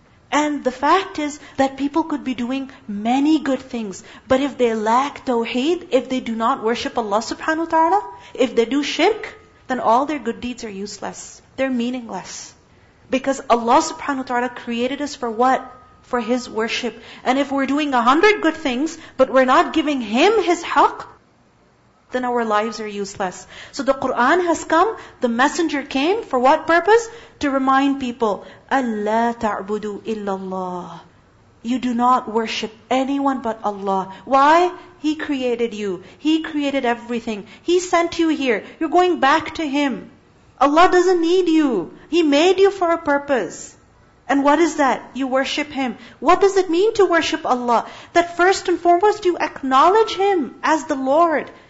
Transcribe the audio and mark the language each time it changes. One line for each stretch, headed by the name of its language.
English: And the fact is that people could be doing many good things, but if they lack tawheed, if they do not worship Allah subhanahu wa ta'ala, if they do shirk, then all their good deeds are useless. They're meaningless. Because Allah subhanahu wa ta'ala created us for what? For His worship. And if we're doing 100 good things, but we're not giving Him His haqq, then our lives are useless. So the Qur'an has come, the Messenger came, for what purpose? To remind people,
Arabic: أَلَّا تَعْبُدُوا إِلَّا اللَّهِ.
English: You do not worship anyone but Allah. Why? He created you. He created everything. He sent you here. You're going back to Him. Allah doesn't need you. He made you for a purpose. And what is that? You worship Him. What does it mean to worship Allah? That first and foremost, you acknowledge Him as the Lord.